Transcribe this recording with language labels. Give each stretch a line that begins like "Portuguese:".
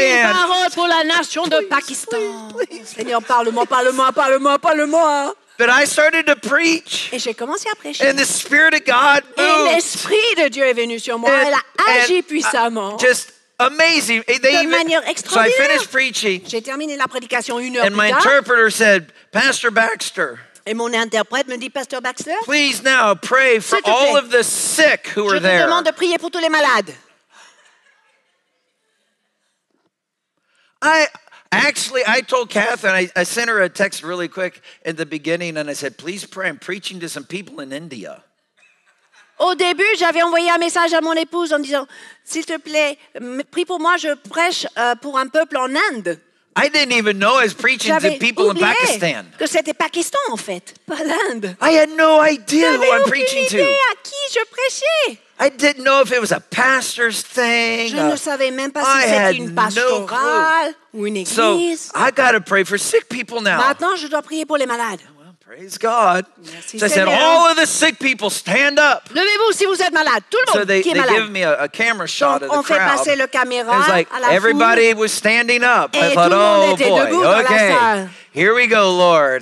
French: Il a une parole pour la nation de Pakistan. Seigneur, parle-moi, parle-moi, parle-moi, parle-moi.
English: But I started to preach.
French: Et j'ai commencé à prêcher.
English: And the Spirit of God moved.
French: Et l'Esprit de Dieu est venu sur moi. Elle a agi puissamment.
English: Just amazing.
French: De manière extraordinaire.
English: So I finished preaching.
French: J'ai terminé la prédication une heure plus tard.
English: And my interpreter said, Pastor Baxter.
French: Et mon interprète me dit, Pastor Baxter.
English: Please now pray for all of the sick who are there.
French: Je te demande de prier pour tous les malades.
English: I told Kathryn, I sent her a text really quick in the beginning, and I said, please pray, I'm preaching to some people in India.
French: Au début, j'avais envoyé un message à mon épouse en disant, s'il te plaît, prie pour moi, je prêche pour un peuple en Inde.
English: I didn't even know I was preaching
French: j'avais
English: to people in Pakistan.
French: Que c'était Pakistan, en fait, pas l'Inde.
English: I had no idea
French: j'avais
English: who I'm preaching to.
French: J'avais aucune idée à qui je prêchais.
English: I didn't know if it was a pastor's thing.
French: Je ne savais même pas si c'était une pastorale ou une église.
English: So I got to pray for sick people now.
French: Maintenant, je dois prier pour les malades.
English: Well, Praise God. So I said, all of the sick people, stand up.
French: Levez-vous si vous êtes malade. Tout le monde qui est malade.
English: So they give me a camera shot of the crowd.
French: On fait passer le caméra.
English: It's like everybody was standing up. I thought, oh boy, okay, here we go, Lord.